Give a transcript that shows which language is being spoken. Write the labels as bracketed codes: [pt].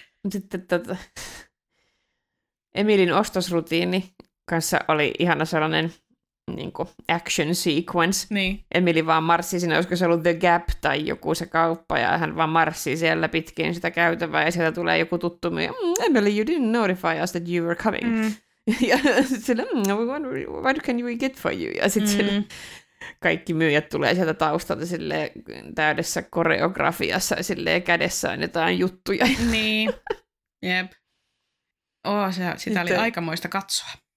[fi] Sitten Emilin ostosrutiini kanssa oli ihana sellainen niin kuin action sequence. Niin. Emily vaan marssi sinne, olisiko se ollut The Gap tai joku se kauppa, ja hän vaan marssi siellä pitkin sitä käytävää, ja sieltä tulee joku tuttu myy. [en] Emily, you didn't notify us that you were coming. Mm. [fi] Ja sitten [en] what can we get for you? [fi] Ja sitten kaikki myyjät tulee sieltä taustalta silleen, täydessä koreografiassa, silleen, kädessään jotain juttuja. Niin, jep. Oh, sitä oli aikamoista katsoa.